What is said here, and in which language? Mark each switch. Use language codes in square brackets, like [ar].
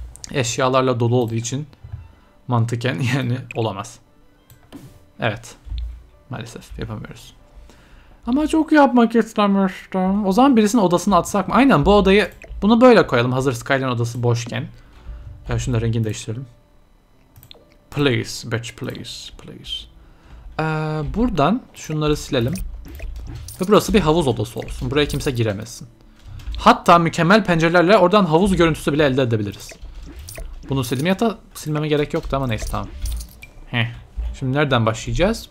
[tr] Eşyalarla dolu olduğu için mantıken yani olamaz. Evet. Maalesef yapamıyoruz. Ama çok yapmak istemiştim. O zaman birisinin odasını atsak mı? Aynen bu odayı, bunu böyle koyalım. Hazır Skyline odası boşken. Ya şunu da rengini değiştirelim. [en] Please, bitch, please, please. [tr] Buradan şunları silelim. Ve burası bir havuz odası olsun. Buraya kimse giremesin. Hatta mükemmel pencerelerle oradan havuz görüntüsü bile elde edebiliriz. Bunu sildim ya da silmeme gerek yoktu ama neyse tamam. Heh. Şimdi nereden başlayacağız?